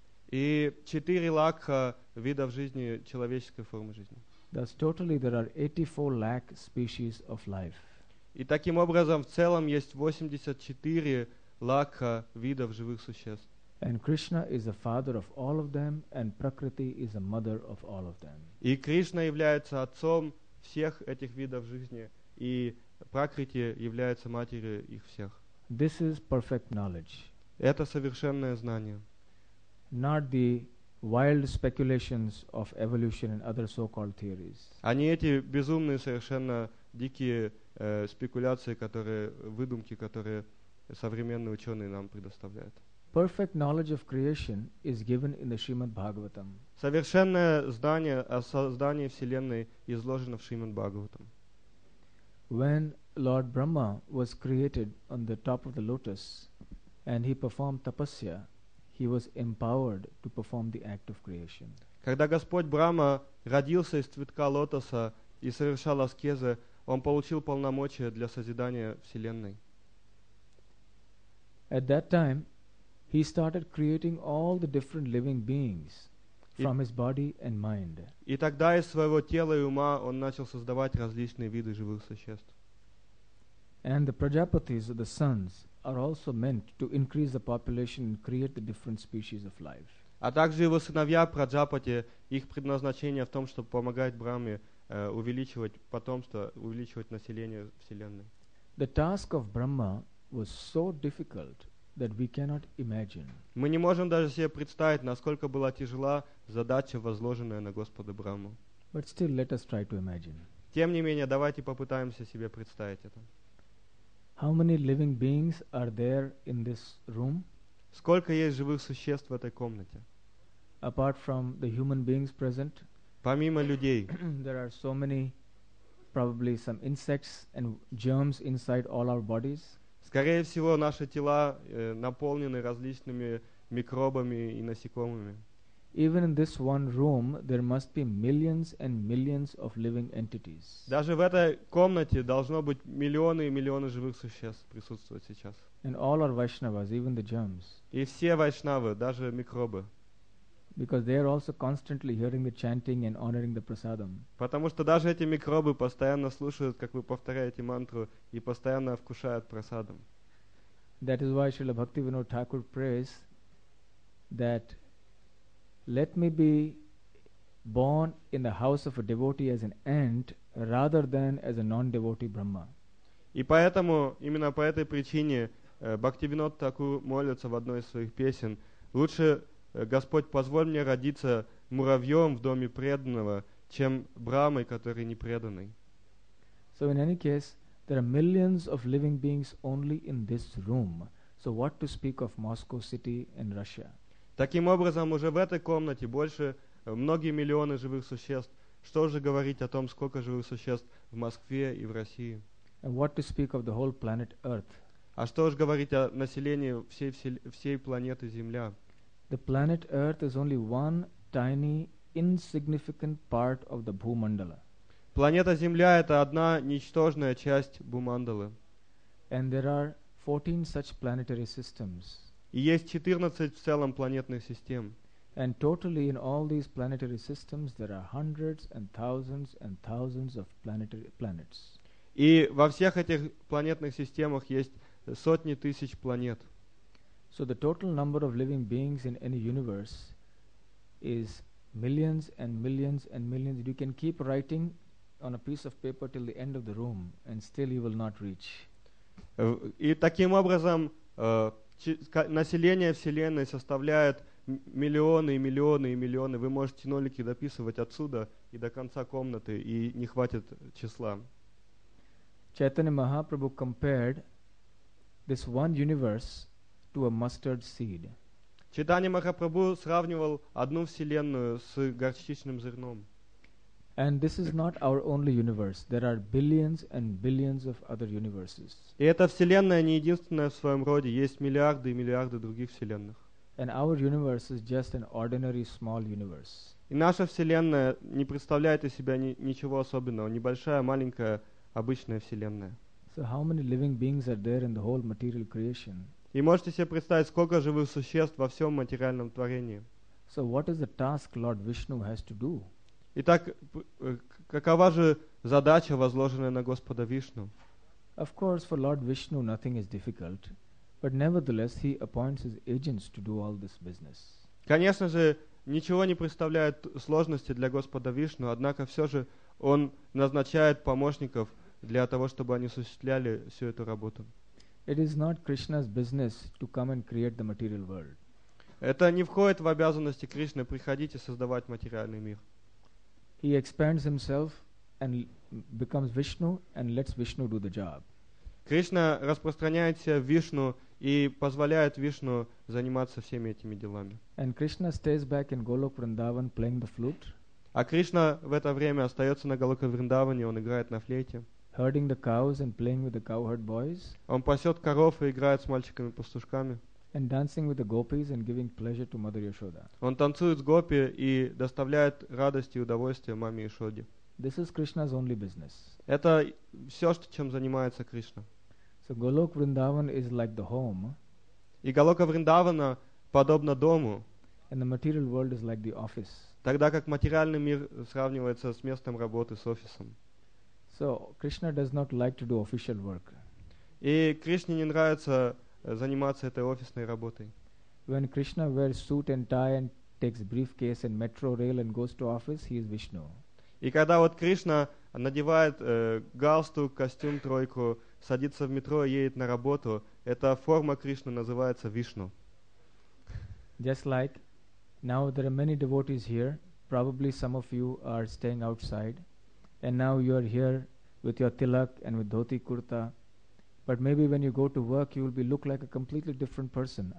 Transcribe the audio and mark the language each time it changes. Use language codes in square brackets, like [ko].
[ru] И 4 лакха видов жизни, человеческой формы жизни. [en] Thus totally there are 84 lakh species of life. [ru] И таким образом в целом есть 84 лакха видов живых существ. [en] And Krishna is the father of all of them and Prakriti is the mother of all of them. [ru] И Кришна является отцом всех этих видов жизни и Пракрити является матерью их всех. [en] This is perfect knowledge. [ru] Это совершенное знание. [en] Not the wild speculations of evolution and other so-called theories. [ru] А не эти безумные, совершенно дикие спекуляции, которые выдумки, которые современные ученые нам предоставляют. [en] Perfect knowledge of creation is given in the Shrimad Bhagavatam. [ru] Совершенное знание о создании Вселенной изложено в Шримад Бхагаватам. [en] When Lord Brahma was created on the top of the lotus and he performed tapasya, he was empowered to perform the act of creation. [ru] Когда Господь Брахма родился из цветка лотоса и совершал аскезы, он получил полномочия для созидания Вселенной. [en] At that time, he started creating all the different living beings from his body and mind. [ru] И тогда из своего тела и ума он начал создавать различные виды живых существ. [en] And the Prajapatis, the sons, are also meant to increase the population and create the different species of life. [ru] А также его сыновья Праджапати, их предназначение в том, чтобы помогать Брахме увеличивать потомство, увеличивать население Вселенной. [en] The task of Brahma was so difficult that we cannot imagine. [ru] Мы не можем даже себе представить, насколько была тяжела задача, возложенная на Господа Брахму. [en] But still, let us try to imagine. [ru] Тем не менее, давайте попытаемся себе представить это. [en] How many living beings are there in this room? [ru] Сколько есть живых существ в этой комнате? [en] Apart from the human beings present, [ru] помимо людей, [en] there are so many, probably some insects and germs inside all our bodies. [ru] Скорее всего, наши тела наполнены различными микробами и насекомыми. [en] Even in this one room, there must be millions and millions of living entities. [ru] Даже в этой комнате должно быть миллионы и миллионы живых существ присутствовать сейчас. [en] And all are Vaishnavas, even the germs. [ru] И все Вайшнавы, даже микробы. [en] Because they are also constantly hearing the chanting and honoring the prasadam. [ru] Потому что даже эти микробы постоянно слушают, как вы повторяете мантру, и постоянно вкушают прасадам. [en] That is why Srila Bhaktivinoda Thakur prays that let me be born in the house of a devotee as an ant rather than as a non-devotee Brahma. [ru] И поэтому, именно по этой причине, Бхактивинода Такур молится в одной из своих песен: лучше Господь, позволь мне родиться муравьем в доме преданного, чем Брахмой, который не преданный. [en] So in any case, there are millions of living beings only in this room. So what to speak of Moscow City and Russia? [ru] Таким образом, уже в этой комнате больше многие миллионы живых существ. Что же говорить о том, сколько живых существ в Москве и в России? [en] And what to speak of the whole planet Earth? [ru] А что же говорить о населении всей планеты Земля? [en] The planet Earth is only one tiny, insignificant part of the Bhumandala. [ru] Планета Земля — это одна ничтожная часть Бхумандалы. [en] And there are 14 such planetary systems. [ru] И есть 14 в целом планетных систем. [en] And totally in all these planetary systems there are hundreds and thousands of planetary planets. [ru] И во всех этих планетных системах есть сотни тысяч планет. [en] So the total number of living beings in any universe is millions and millions and millions. You can keep writing on a piece of paper till the end of the room and still you will not reach. [ru] И таким образом население Вселенной составляет миллионы и миллионы и миллионы. Вы можете нолики дописывать отсюда и до конца комнаты, и не хватит числа. [en] Chaitanya Mahaprabhu compared this one universe to a mustard seed. [ru] Chaitanya Mahaprabhu сравнивал одну Вселенную с горчичным зерном. [en] And this is not our only universe. There are billions and billions of other universes. [ru] И эта Вселенная не единственная в своем роде. Есть миллиарды и миллиарды других Вселенных. [en] And our universe is just an ordinary small universe. [ru] И наша Вселенная не представляет из себя ничего особенного. Небольшая, маленькая, обычная Вселенная. [en] So how many living beings are there in the whole material creation? [ru] И можете себе представить, сколько живых существ во всем материальном творении. [en] So what is the task Lord Vishnu has to do? [ru] Итак, какова же задача, возложенная на Господа Вишну? [en] Of course, for Lord Vishnu nothing is difficult, but nevertheless he appoints his agents to do all this business. [ru] Конечно же, ничего не представляет сложности для Господа Вишну, однако все же он назначает помощников для того, чтобы они осуществляли всю эту работу. [en] It is not Krishna's business to come and create the material world. [ru] Это не входит в обязанности Кришны приходить и создавать материальный мир. [en] He expands himself and becomes Vishnu and lets Vishnu do the job. [ru] Кришна распространяет себя в Вишну и позволяет Вишну заниматься всеми этими делами. [en] And Krishna stays back in Golok Vrindavan playing the flute. [ru] А Кришна в это время остается на Голока Вриндаване, он играет на флейте. [en] Herding the cows and playing with the cowherd boys. [ru] Он пасет коров и играет с мальчиками-пастушками. [en] And dancing with the gopis and giving pleasure to Mother Yashoda. [ru] Он танцует с гопи и доставляет радость и удовольствие маме Ишоде. [en] This is Krishna's only business. [ru] Это все, что чем занимается Кришна. [en] So Golok Vrindavan is like the home. [ru] И Голока Вриндавана подобно дому. [en] And the material world is like the office. [ru] Тогда как материальный мир сравнивается с местом работы, с офисом. [en] So Krishna does not like to do official work. [ru] И Кришне не нравится заниматься этой офисной работой. [en] When Krishna wears suit and tie and takes briefcase and metro rail and goes to office, he is Vishnu. [ru] И когда вот Кришна надевает галстук, костюм, тройку, садится в метро и едет на работу, эта форма Кришны называется Вишну. [en] Just like now there are many devotees here, probably some of you are staying outside, and now you are here with your tilak and with dhoti kurta, but maybe when you go to work you will be look like a completely different person.